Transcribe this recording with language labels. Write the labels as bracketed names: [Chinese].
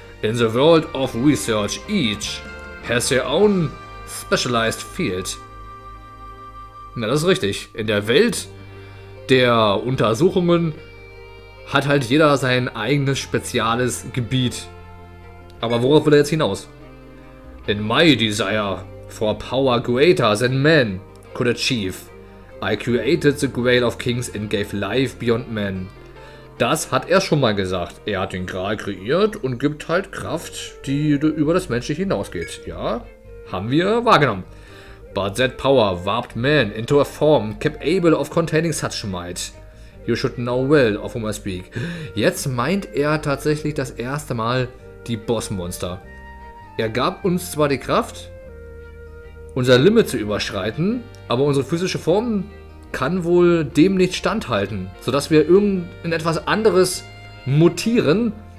[English] In the world of research, each has their own specialized field. [German] Na, das ist richtig. In der Welt der Untersuchungen hat halt jeder sein eigenes spezielles Gebiet. Aber worauf will er jetzt hinaus? [English] In my desire for power greater than man could achieve, I created the Grail of Kings and gave life beyond man. [German] Das hat er schon mal gesagt. Er hat den Gral kreiert und gibt halt Kraft, die über das Menschliche hinausgeht. Ja, haben wir wahrgenommen. [English] But that power warped man into a form capable of containing such might. You should know well of whom I speak. [German] Jetzt meint er tatsächlich das erste Mal die Bossmonster. Er gab uns zwar die Kraft, unser Limit zu überschreiten, aber unsere physische Form kann wohl dem nicht standhalten, sodass wir in etwas anderes mutieren.